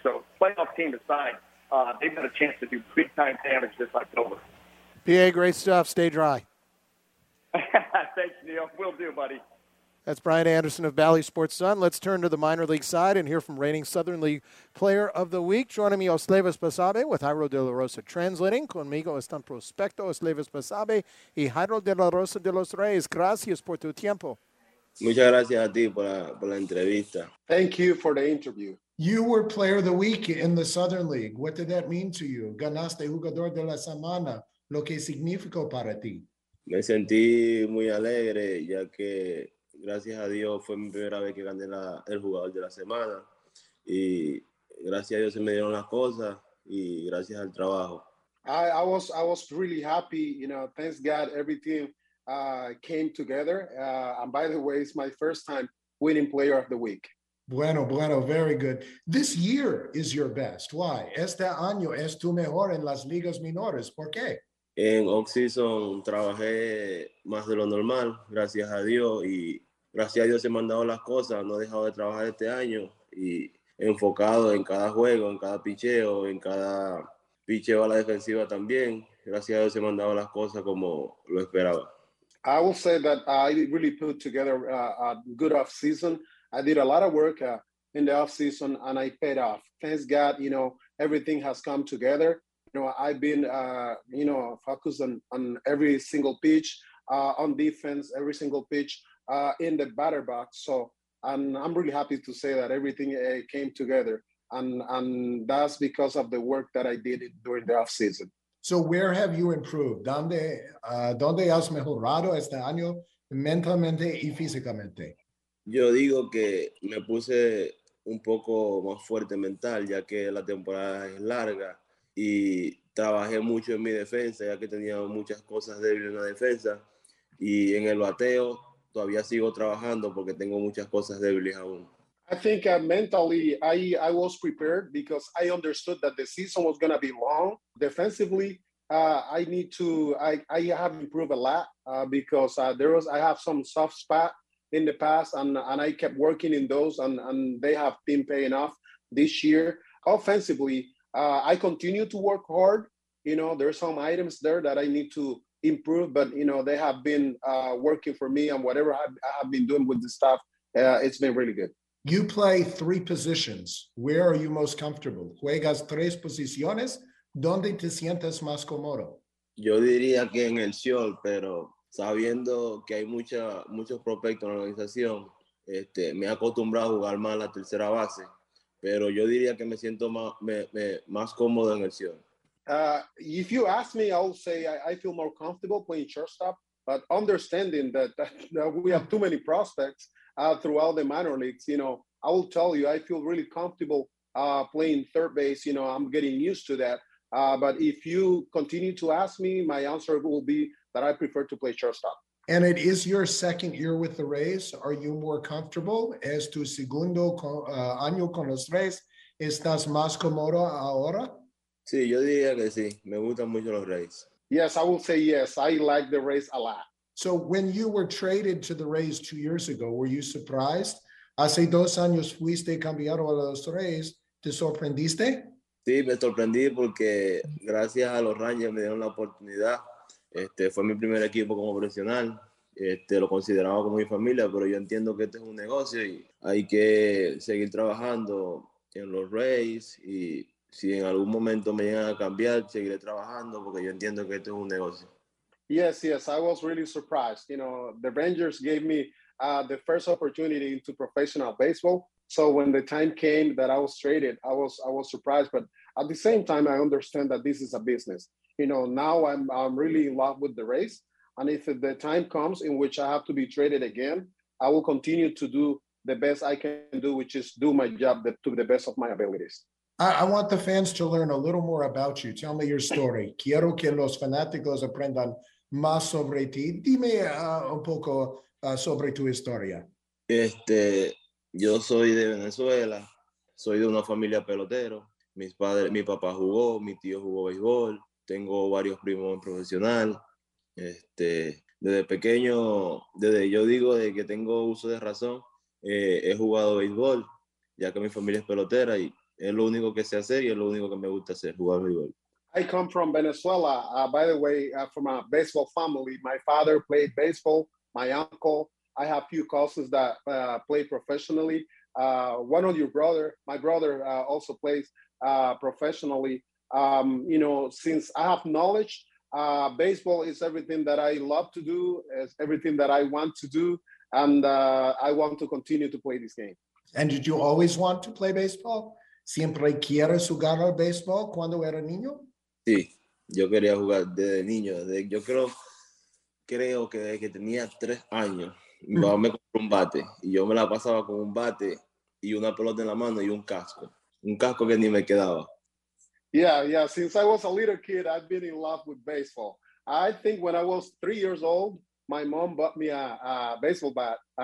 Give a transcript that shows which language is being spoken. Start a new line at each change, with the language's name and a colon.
English: So playoff team aside, they've got a chance to do big-time damage this October. PA, great stuff. Stay dry. Thanks, Neil. Will do, buddy. That's Brian Anderson of Bally Sports Sun. Let's turn to the minor league side and hear from reigning Southern League Player of the Week. Joining me, Oslevis Basabe, with Jairo De La Rosa translating.
Spanish: Conmigo están prospecto Oslevis Basabe y Jairo De La Rosa de los Reyes. Gracias por tu tiempo. Muchas gracias a ti por la entrevista.
English: Thank you for the interview. You were Player of the Week in the Southern League. What did that mean to you?
Spanish: Ganaste jugador de la semana. Lo que significó para ti. Me sentí muy alegre, ya que gracias a Dios fue mi primera vez que gané el jugador de la semana. Y gracias a Dios se me dieron las cosas y gracias al trabajo.
English: I was really happy, you know, thanks God everything came together. And by the way, it's my first time winning Player of the Week. Bueno, very good. This year is your best. Why?
Spanish: Este año es tu mejor en las ligas menores. ¿Por qué? En off-season trabajé más de lo normal, gracias a Dios, y gracias a Dios se me han dado las cosas, no he dejado de trabajar este año, y enfocado en cada juego, en cada picheo a la defensiva también, gracias a Dios se me han dado las cosas como lo esperaba.
English: I will say that I really put together a good off-season. I did a lot of work in the off-season, and I paid off. Thanks God, you know, everything has come together. You know, I've been, you know, focused on every single pitch, on defense, every single pitch in the batter box. So, and I'm really happy to say that everything came together. And that's because of the work that I did during the offseason. So where have you improved?
Spanish: ¿Dónde has mejorado este año mentalmente y físicamente? Yo digo que me puse un poco más fuerte mental, ya que la temporada es larga. Y trabajé mucho en mi defensa, ya que tenía muchas cosas débiles en la defensa. Y en el bateo todavía sigo trabajando porque tengo muchas cosas débiles aún.
English: I think mentally I was prepared because I understood that the season was going to be long. Defensively, I have improved a lot because I have some soft spot in the past and I kept working in those and they have been paying off this year. Offensively, I continue to work hard. You know, there are some items there that I need to improve, but, you know, they have been working for me, and whatever I have been doing with the staff, it's been really good. You play three positions. Where are you most comfortable?
Spanish: Juegas tres posiciones. ¿Dónde te sientes más cómodo? Yo diría que en el short, pero sabiendo que hay muchos prospectos en la organización, me he acostumbrado a jugar más la tercera base. Pero yo diría que me siento más cómodo en el short.
English: If you ask me, I'll say I feel more comfortable playing shortstop, but understanding that we have too many prospects throughout the minor leagues, you know, I will tell you, I feel really comfortable playing third base. You know, I'm getting used to that. But if you continue to ask me, my answer will be that I prefer to play shortstop. And it is your second year with the Rays. Are you more comfortable?
Spanish: ¿Es tu segundo año con los Rays? ¿Estás más cómodo ahora? Sí, yo diría que sí. Me gustan mucho los Rays.
English: Yes, I will say yes. I like the Rays a lot. So when you were traded to the Rays 2 years ago, were you surprised?
Spanish: Hace dos años fuiste cambiado a los Rays. ¿Te sorprendiste? Sí, me sorprendí porque gracias a los Rangers me dieron la oportunidad. Fue mi primer equipo como profesional. Lo consideraba como mi familia, pero yo entiendo que este es un negocio y hay que seguir trabajando en los Rays. Y si en algún momento me llegan a cambiar, seguiré trabajando porque yo entiendo que este es un negocio.
English: Yes, I was really surprised. You know, the Rangers gave me the first opportunity into professional baseball. So when the time came that I was traded, I was surprised. But at the same time, I understand that this is a business. You know, now I'm really in love with the Rays. And if the time comes in which I have to be traded again, I will continue to do the best I can do, which is do my job to the best of my abilities. I want the fans to learn a little more about you. Tell me your story.
Spanish: Quiero que los fanáticos aprendan más sobre ti. Dime un poco sobre tu historia. Yo soy de Venezuela. Soy de una familia pelotero. Mi papá jugó, mi tío jugó béisbol. Tengo varios primos en profesional. Desde pequeño, desde que tengo uso de razón, he jugado béisbol, ya que mi familia es pelotera y es lo único que sé hacer y es lo único que me gusta hacer, jugar béisbol.
English: I come from Venezuela, by the way, from a baseball family. My father played baseball, my uncle, I have a few cousins that play professionally. One of your brother, my brother also plays professionally. You know, since I have knowledge, baseball is everything that I love to do, is everything that I want to do, and I want to continue to play this game. And did you always want to play baseball?
Spanish: ¿Siempre quieres jugar al baseball cuando era niño? Sí, yo quería jugar desde niño. Desde, yo creo que desde que tenía 3 años, mi papá me compró un bate. Y yo me la pasaba con un bate y una pelota en la mano y un casco. Un casco que ni me quedaba.
English: Yeah. Since I was a little kid, I've been in love with baseball. I think when I was 3 years old, my mom bought me a baseball bat.